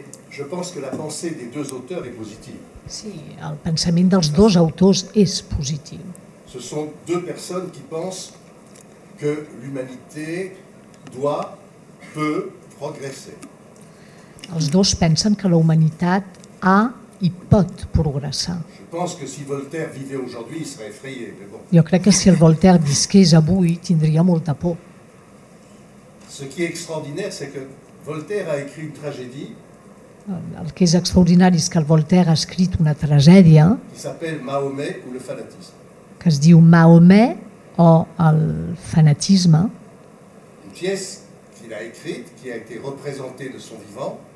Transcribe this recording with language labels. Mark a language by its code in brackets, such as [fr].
[fr] Je pense que la pensée des deux auteurs est positive. [ca] Sí, el pensament dels dos autors és positiu. [fr] Ce sont deux personnes qui pensent que l'humanité doit, peut progresser. [ca] Els dos pensen que la humanitat ha i pot progressar. [fr] Je pense que si Voltaire vivait aujourd'hui, il serait effrayé. Bon. [ca] Jo crec que si el Voltaire visqués avui, tindria molta por. [fr] Ce qui est extraordinaire, c'est que Voltaire a écrit une tragédie. [ca] El que és extraordinari és que el Voltaire ha escrit una tragèdia que es diu Mahomet o el fanatisme. [fr] Une pièce qu'il a écrite, qui a été représentée de son vivant.